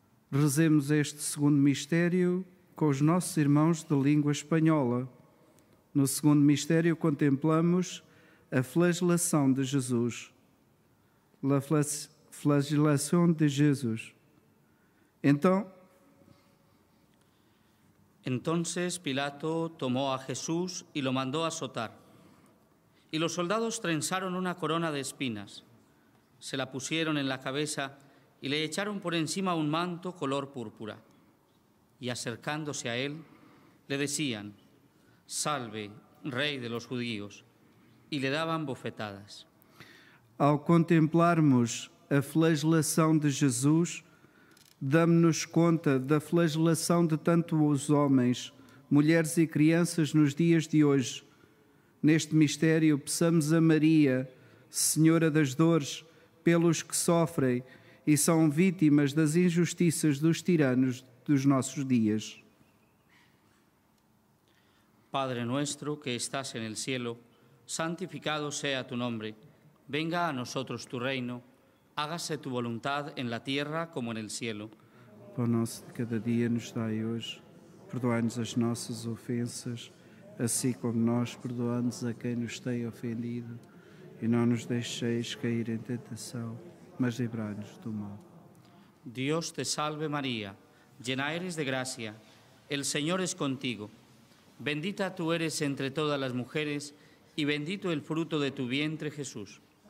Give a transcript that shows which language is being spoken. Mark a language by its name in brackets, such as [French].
[Portuguese] Rezemos este segundo mistério com os nossos irmãos de língua espanhola. No segundo mistério contemplamos a flagelação de Jesus. [Spanish] La flagelación de Jesús. Entonces Pilato tomó a Jesús y lo mandó a azotar. Y los soldados trenzaron una corona de espinas. Se la pusieron en la cabeza y le echaron por encima un manto color púrpura. Y acercándose a él, le decían: «Salve, rey de los judíos», y le daban bofetadas. [Portuguese] Al contemplarmos a flagelación de Jesús, damos-nos conta da flagelación de tantos homens, mulheres e crianças nos dias de hoje. Neste mistério, peçamos a Maria, Senhora das Dores, pelos que sofrem e são vítimas das injustiças dos tiranos dos nossos dias. [Spanish] Padre nuestro que estás en el cielo, santificado sea tu nombre. Venga a nosotros tu reino. Hágase tu voluntad en la tierra como en el cielo. [Portuguese] Pão nosso de cada dia nos dai hoje. Perdoai-nos as nossas ofensas, assim como nós perdoamos a quem nos tem ofendido. E não nos deixeis cair em tentação, mas livrai-nos do mal. [Spanish] Dios te salve María, llena eres de gracia, el Señor es contigo. Bendita tú eres entre todas las mujeres y bendito el fruto de tu vientre, Jesús.